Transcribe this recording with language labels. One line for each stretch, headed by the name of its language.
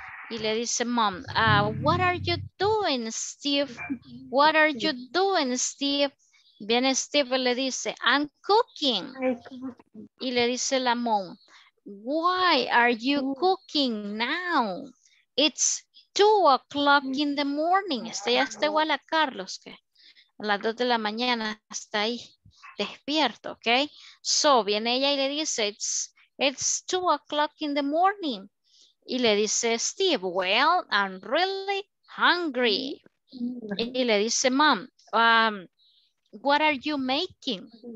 Spanish: Y le dice
English: mom, what are you doing, Steve? What are you doing, Steve?
Spanish: Viene Steve y le dice,
English: I'm cooking.
Spanish: Y le dice la
English: mom, why are you cooking now? It's 2 o'clock in the morning.
Spanish: Este ya está igual a Carlos, que a las 2 de la mañana está ahí despierto, ¿ok?
English: So,
Spanish: viene ella y le dice,
English: it's 2 o'clock in the morning.
Spanish: Y le dice
English: Steve, well, I'm really hungry.
Spanish: Y le dice,
English: mom, what are you making?